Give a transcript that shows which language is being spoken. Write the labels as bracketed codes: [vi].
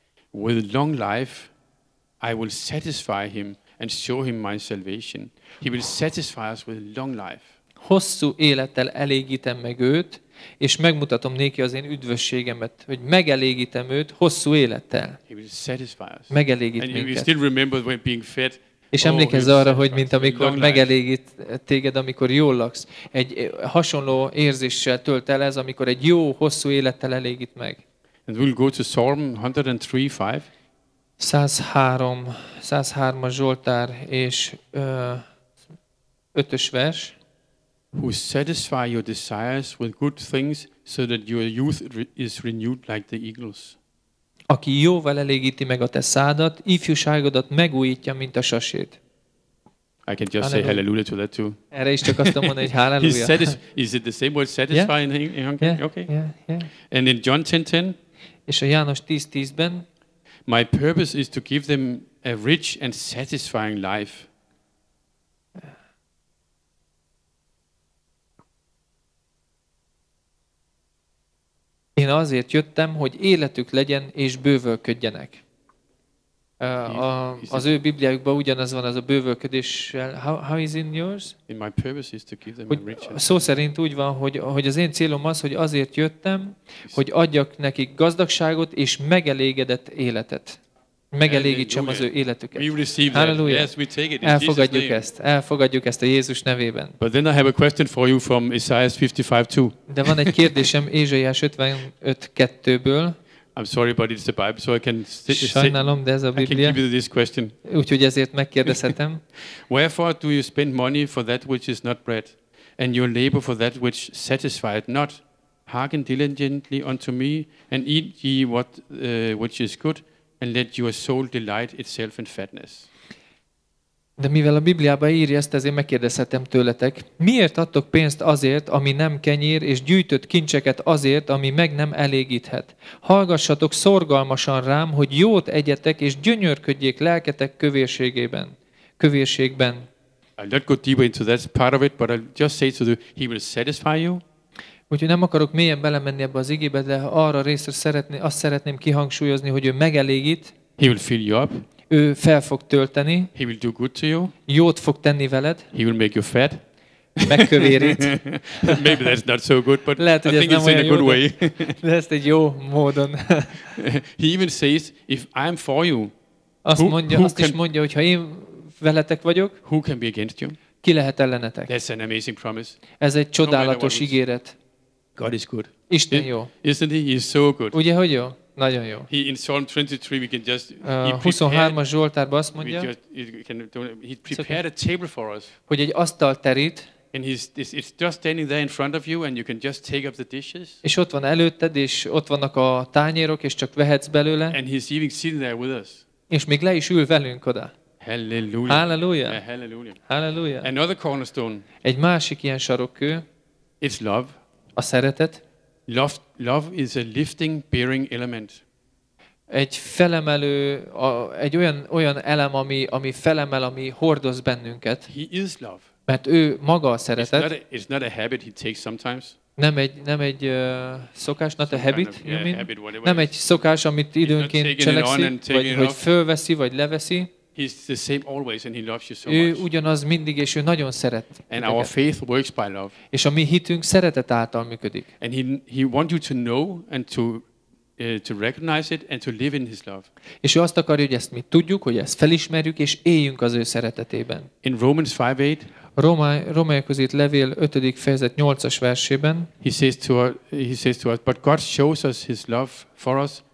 [en] With long life I will satisfy him and show him my salvation. He will satisfy us with long life. [hu] Hosszú élettel elégítem meg őt, és megmutatom néki az én üdvösségemet, hogy megelégítem őt hosszú élettel. Megelégít minket. És emlékezz arra, hogy mint amikor megelégít téged, amikor jól laksz. Egy hasonló érzéssel tölt el ez, amikor egy jó, hosszú élettel elégít meg. [en] And we'll go to Psalm 103:5. [hu] 103-as Zsoltár és 5-ös vers. [en] Who satisfy your desires with good things so that your youth is renewed like the eagles. [hu] Aki jóval elégíti meg a te szádat, ifjúságodat megújítja, mint a sasét. [en] I can just say hallelujah to that too. [hu] Erre is csak azt mondani, hogy hallelujah. [en] Is it the same word satisfy in Hungarian? Yeah. Okay. Yeah. And in John 10:10. [hu] És a János 10:10-ben. [en] My purpose is to give them a rich and satisfying life. [hu] Én azért jöttem, hogy életük legyen és bővölködjenek. Az ő Bibliájukban ugyanaz van, az a bővölködéssel. [en] How is in yours? In my purpose is to give them a rich. [hu] Szó szerint úgy van, hogy az én célom az, hogy azért jöttem, hogy adjak nekik gazdagságot és megelégedett életet. Megelégítsem az ő életüket. [en] We receive that. Hallelujah. Yes, we take it. [hu] Elfogadjuk ezt. Elfogadjuk ezt a Jézus nevében. [en] But then I have a question for you from Isaiah 55:2. [hu] De van egy kérdésem Ézsaiás 55:2-ből. [en] I'm sorry, but it's the Bible, so I can. [hu] Sajnálom, de ez a Biblia. [en] I can give you this question. [hu] Úgyhogy ezért megkérdezhetem. [en] Wherefore do you spend money for that which is not bread, and your labor for that which satisfieth not? Hearken diligently unto me, and eat ye what which is good. And let your soul delight itself in fatness. [hu] De mivel a Bibliában írja ezt, ezért megkérdezhetem tőletek. Miért adtok pénzt azért, ami nem kenyér, és gyűjtött kincseket azért, ami meg nem elégíthet? Hallgassatok szorgalmasan rám, hogy jót egyetek, és gyönyörködjék lelketek kövérségében. Kövérségben. [en] I'll not go deeper into that part of it, but I'll just say to you, he will satisfy you. [hu] Úgyhogy nem akarok mélyen belemenni ebbe az igébe, de arra részre azt szeretném kihangsúlyozni, hogy ő megelégít. [en] He will fill you up. [hu] ő fel fog tölteni. [en] He will do good to you. [hu] Jót fog tenni veled. [en] He will make you fat. [hu] Megkövérít. [en] Maybe that's not so good, but [hu] lehet, [en] I think it's in a good way. [hu] De ezt egy jó módon. [en] He even says, if I'm for you, [hu] azt mondja, [en] who [hu] azt [en] can, [hu] is mondja, hogy ha én veletek vagyok, [en] who can be against you? [hu] Ki lehet ellenetek? [en] That's an amazing promise. [hu] Ez egy csodálatos ígéret. [en] God is good. [hu] Isten jó. [en] Isn't he? He is so good. [hu] Ugye, hogy jó? Nagyon jó. [en] He in Psalm 23 we can just he [hu] 23-as Zsoltárban azt mondja, [en] he prepared a table for us. [hu] Hogy egy asztal terít. [en] And he's it's just standing there in front of you and you can just take up the dishes. [hu] És ott van előtted, és ott vannak a tányérok, és csak vehetsz belőle. [en] And he's even sitting there with us. [hu] És még le is ül velünk oda. Hallelujah. Hallelujah. Hallelujah. Hallelujah. [en] Another cornerstone. [hu] Egy másik ilyen sarokkő. [en] It's love. [hu] A szeretet. [en] Love is a lifting, bearing element. [hu] Egy felemelő, egy olyan elem, ami felemel, ami hordoz bennünket. [en] He is love. [hu] Mert ő maga a szeretet. [en] It's not a habit he takes sometimes. [hu] Nem egy szokás, [en] not a habit, kind of, yeah, Habit, whatever. [hu] Nem egy szokás, amit időnként cselekszi, vagy hogy fölveszi, vagy leveszi. [en] He's the same always and he loves you so much. [hu] Ő ugyanaz mindig és ő nagyon szeret. [en] And our faith works by love. [hu] És a mi hitünk szeretet által működik. [en] And he wants you to know and to recognize it and to live in his love. [hu] És ő azt akarja, hogy ezt mi tudjuk, hogy ezt felismerjük és éljünk az ő szeretetében. [en] In Romans 5:8, [hu] Rómaiakhoz írt levél 5. fejezet 8-as versében, [en] he says to us, but God shows us his love for us.